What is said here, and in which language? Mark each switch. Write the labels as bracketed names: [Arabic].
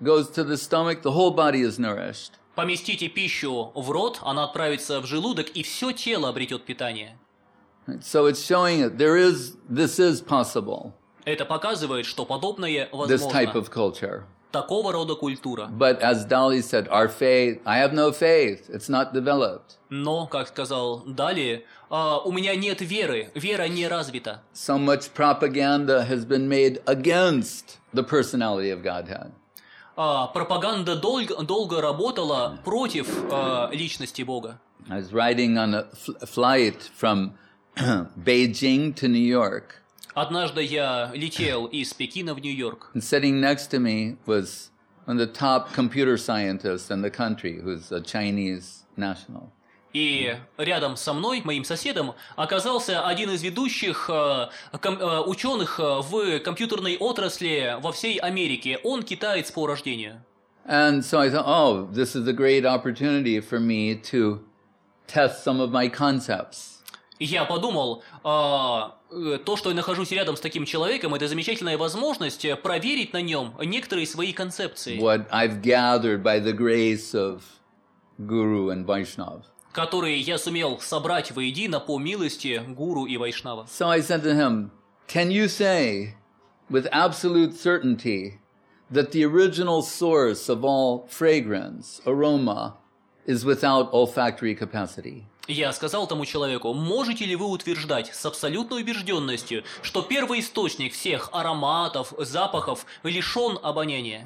[Russian] Поместите пищу в рот, она отправится в желудок, и все тело обретет питание. [English] So it's showing it. There is, this is possible. [Russian] Это показывает, что подобное возможно. [English] This type of culture. [Russian] Такого рода культура. [English] But as Dali said, our faith, I have no faith, it's not developed. [Russian] Но, как сказал Дали, у меня нет веры, вера не развита. [English] So much propaganda has been made against the personality of Godhead. [Russian] Пропаганда долго работала против личности Бога. [English] I was riding on a flight from Beijing to New York. [Russian] Однажды я летел из Пекина в Нью-Йорк. [English] And sitting next to me was one of the top computer scientists in the country, who's a Chinese national. [Russian] И рядом со мной, моим соседом, оказался один из ведущих ученых в компьютерной отрасли во всей Америке. Он китаец по рождению. [English] And so I thought, oh, this is a great opportunity for me to test some of my concepts. [Russian] Я подумал, то, что я нахожусь рядом с таким человеком, это замечательная возможность проверить на нем некоторые свои концепции, [English] what I've gathered by the grace of Guru and Vaishnav. [Russian] Которые я сумел собрать воедино по милости Гуру и Вайшнава. [English] So I said to him, can you say with absolute certainty that the original source of all fragrance, aroma, is without olfactory capacity? [Russian] Я сказал тому человеку, можете ли вы утверждать с абсолютной убежденностью, что первоисточник всех ароматов, запахов лишен обоняния?